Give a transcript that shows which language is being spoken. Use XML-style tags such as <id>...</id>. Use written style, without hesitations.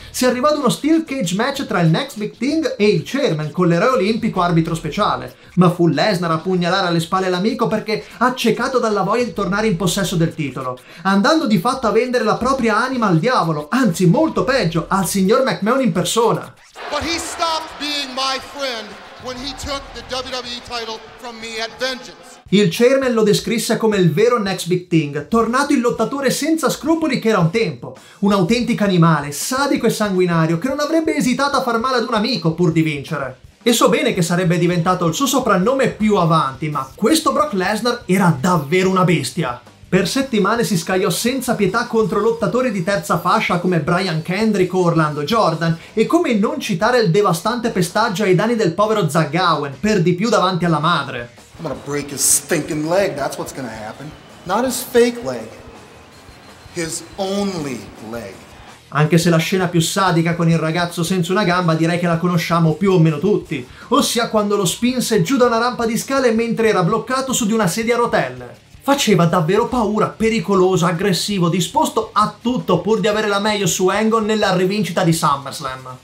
<it>Si arrivò ad uno steel cage match tra il Next Big Thing e il Chairman, con l'eroe olimpico arbitro speciale. Ma fu Lesnar a pugnalare alle spalle l'amico perché accecato dalla voglia di tornare in possesso del titolo, andando di fatto a vendere la propria anima al diavolo, anzi molto peggio, al signor McMahon in persona.</it> <en>But he stopped being my friend when he took the WWE title from me at Vengeance.</en> <it>Il Chairman lo descrisse come il vero Next Big Thing, tornato il lottatore senza scrupoli che era un tempo, un autentico animale, sadico e sanguinario, che non avrebbe esitato a far male ad un amico pur di vincere. E so bene che sarebbe diventato il suo soprannome più avanti, ma questo Brock Lesnar era davvero una bestia. Per settimane si scagliò senza pietà contro lottatori di terza fascia come Brian Kendrick o Orlando Jordan, e come non citare il devastante pestaggio ai danni del povero Zach Gowen, per di più davanti alla madre.</it> <en>I'm gonna break his stinking leg, that's what's gonna happen. Not his fake leg, his only leg.</en> <it>Anche se la scena più sadica con il ragazzo senza una gamba direi che la conosciamo più o meno tutti, ossia quando lo spinse giù da una rampa di scale mentre era bloccato su di una sedia a rotelle. Faceva davvero paura, pericoloso, aggressivo, disposto a tutto pur di avere la meglio su Angle nella rivincita di SummerSlam.</it>